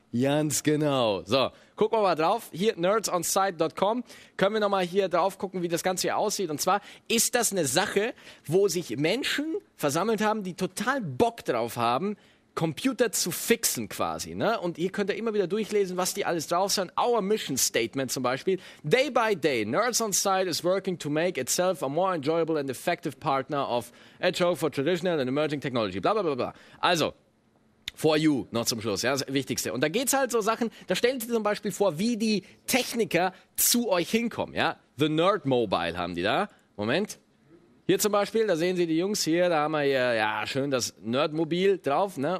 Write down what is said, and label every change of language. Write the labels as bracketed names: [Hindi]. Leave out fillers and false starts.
[German] Ganz genau. So, gucken wir mal drauf. Hier, nerdsonsite.com. Können wir nochmal hier drauf gucken, wie das Ganze hier aussieht. Und zwar ist das eine Sache, wo sich Menschen versammelt haben, die total Bock drauf haben, Computer zu fixen quasi, ne? Und hier könnt ihr immer wieder durchlesen, was die alles drauf sind. [English] Our Mission Statement [German] zum Beispiel. [English] Day by day, Nerds on Site is working to make itself a more enjoyable and effective partner of HO for traditional and emerging technology. Bla bla bla bla. [German] Also, for you noch zum Schluss, ja, das Wichtigste. Und da geht's halt so Sachen, da stellt ihr zum Beispiel vor, wie die Techniker zu euch hinkommen, ja? The Nerd Mobile haben die da. Moment. Hier zum Beispiel, da sehen Sie die Jungs hier, da haben wir hier, ja, schön das Nerdmobil drauf, ne?